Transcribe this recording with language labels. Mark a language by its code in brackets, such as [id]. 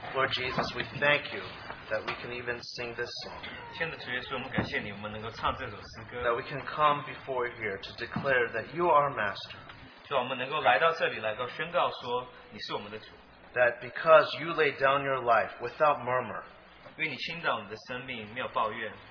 [en] Lord Jesus, we thank you that we can even sing this song. [zh] 天主耶稣, 我们感谢你, 我们能够唱这首诗歌, [en] that we can come before you here to declare that you are master. [zh] 主啊,我们能够来到这里来宣告说你是我们的主, [en] that because you laid down your life without murmur, [zh] 因为你倾倒你的生命没有抱怨,